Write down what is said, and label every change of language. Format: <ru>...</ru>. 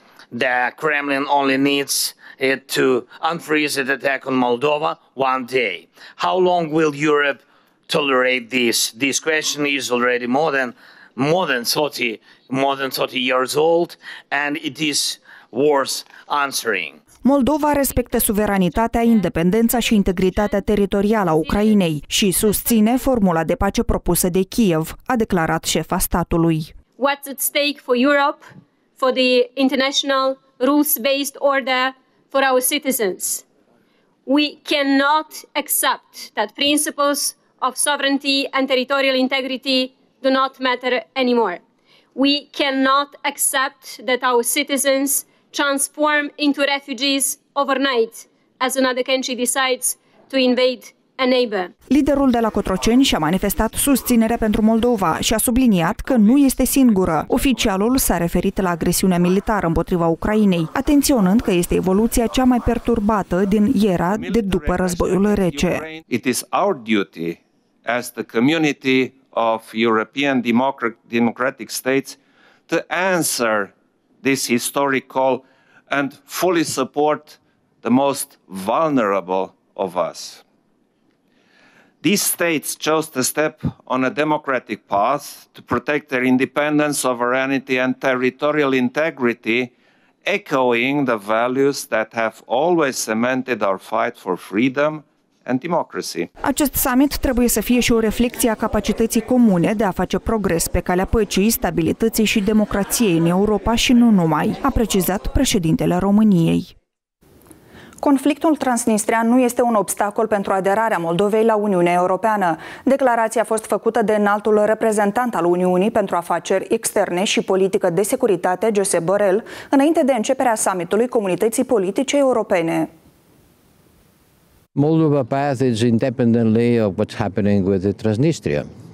<en>The Kremlin only needs it to unfreeze its attack on Moldova one day. How long will Europe tolerate this? This question is already more than 30 years old and it is worth answering.</en> <ro>Moldova respectă suveranitatea, independența și integritatea teritorială a Ucrainei și susține formula de pace propusă de Kiev, a declarat șefa statului.</ro> <en>What's at stake for Europe, for the international rules-based order, for our citizens? We cannot accept that principles of sovereignty and territorial integrity do not matter anymore. We cannot accept that our citizens transform into refugees overnight as another country decides to invade a neighbor.</en> <ro>Liderul de la Cotroceni și-a manifestat susținerea pentru Moldova și a subliniat că nu este singură. Oficialul s-a referit la agresiunea militară împotriva Ucrainei, atenționând că este evoluția cea mai perturbată din era de după războiul rece.</ro> <en>It is our duty as the community of European democratic states to answer this historic call and fully support the most vulnerable of us. These states chose to step on a democratic path to protect their independence, sovereignty and territorial integrity, echoing the values that have always cemented our fight for freedom and democracy.</en> <ro>Acest summit trebuie să fie și o reflecție a capacității comune de a face progres pe calea păcii, stabilității și democrației în Europa și nu numai, a precizat președintele României. Conflictul transnistrean nu este un obstacol pentru aderarea Moldovei la Uniunea Europeană. Declarația a fost făcută de înaltul reprezentant al Uniunii pentru afaceri externe și politică de securitate, Josep Borrell, înainte de începerea summitului Comunității Politice Europene.</ro> <en>Moldova passage independently of what's happening with the Transnistria.</en>